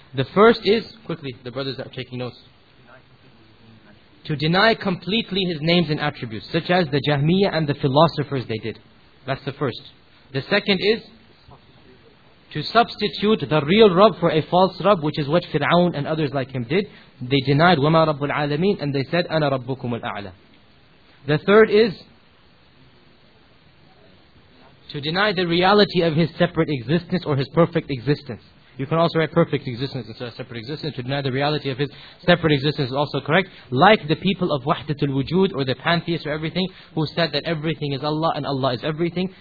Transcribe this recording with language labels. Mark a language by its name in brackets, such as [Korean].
[English] The first is, quickly, the brothers are taking notes. To deny completely his names and attributes, such as the Jahmiyyah and the philosophers they did. That's the first. The second is, to substitute the real Rabb for a false Rabb, which is what Fir'aun and others like him did. They denied [Arabic] وَمَا رَبُّ الْعَالَمِينَ [English] and they said [Arabic] أَنَا رَبُّكُمُ الْأَعْلَى. [English] The third is to deny the reality of his separate existence or his perfect existence. You can also write perfect existence instead of separate existence. To deny the reality of his separate existence is also correct. Like the people of Wahdatul Wujud or the pantheists or everything who said that everything is Allah and Allah is everything.